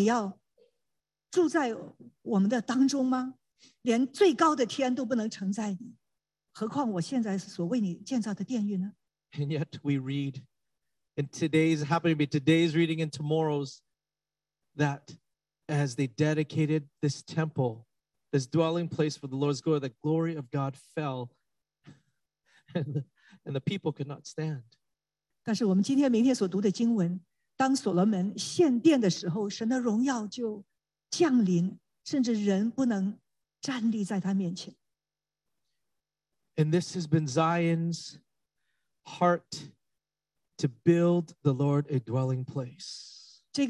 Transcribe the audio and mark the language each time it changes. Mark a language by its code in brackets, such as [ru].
[zh] 所以连所罗门的话，难道你要住在我们的当中吗？连最高的天都不能承载你， 何况我现在所为你建造的殿宇呢？ [en] And yet we read in today's, happened to be today's reading and tomorrow's, that as they dedicated this temple, this dwelling place for the Lord's glory, the glory of God fell, and the people could not stand. [zh] 但是我们今天明天所读的经文，当所罗门献殿的时候，神的荣耀就降临，甚至人不能站立在他面前。 [en] And this has been Zion's heart to build the Lord a dwelling place.